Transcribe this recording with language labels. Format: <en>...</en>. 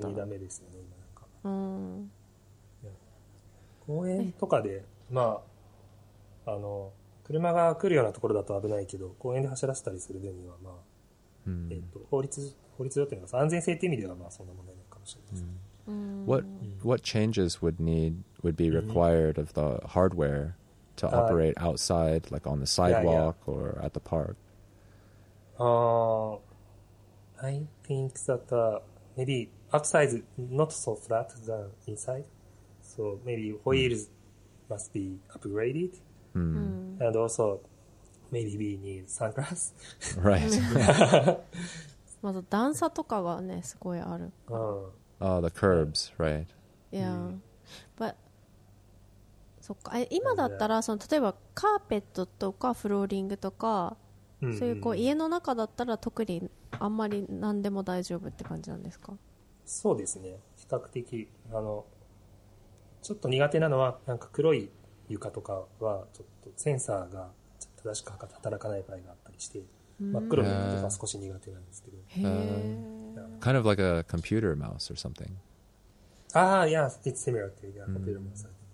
<ja>にダメですよね。なんか。公園とかで、まあ、あの、車が来るようなところだと危ないけど、公園で走らせたりするには、まあ、法律だというのは、安全性という意味では、まあ、そんな問題ないかもしれないですね。</ja> <en>What changes would be required of the hardware to operate outside, like on the sidewalk or at the park? I think that maybe outside is not so flat than inside. So maybe wheels must be upgraded. And also maybe we need sunglasses. Right.</en> <ja>まず段差とかがね、すごいある。</ja> <en>The curbs, right. Yeah. But,</en> <ja>そっか。今だったら、その、例えばカーペットとかフローリングとか、そういうこう家の中だったら特にあんまり何でも大丈夫って感じなんですか？そうですね。比較的、あの、ちょっと苦手なのは、なんか黒い床とかは、ちょっとセンサーが正しく働かない場合があったりして、真っ黒の床は少し苦手なんですけど。</ja> <en>Kind of like a computer mouse or something. Ah, yeah, it's similar to a computer mouse.</en>